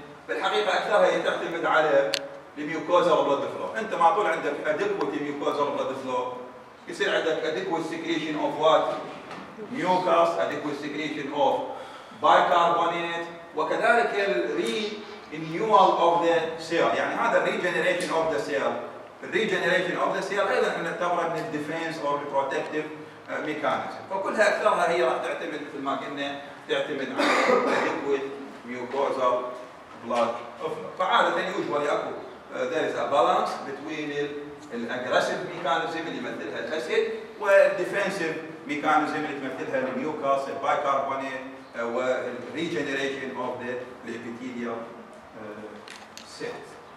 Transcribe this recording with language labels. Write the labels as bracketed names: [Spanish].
[Arabic] بالحقيقة أكثرها هي تعتمد على الميوكوزا والبلد فلو. أنت ما طول عندك adequate الميوكوزا والبلد فلو يصير عندك [English] adequate secretion of what? Mucus, adequate secretion of bicarbonate [Arabic] وكذلك ال [English] renewal of the cell [Arabic] يعني هذا [English] regeneration of the cell. Regeneration of the cell [Arabic] أيضا احنا نعتبره من [English] defense or protective mechanism. [Arabic] فكلها أكثرها هي راح تعتمد مثل ما قلنا تعتمد على [English] adequate mucosa blood [Arabic] فعادة usually أكو [English] there is a balance between [Arabic] ال [English] aggressive mechanism [Arabic] اللي يمثلها الأسيد وال [English] defensive mechanism [Arabic] اللي تمثلها ال mucus, ال bicarbonate وال [English] regeneration of the epithelial cells.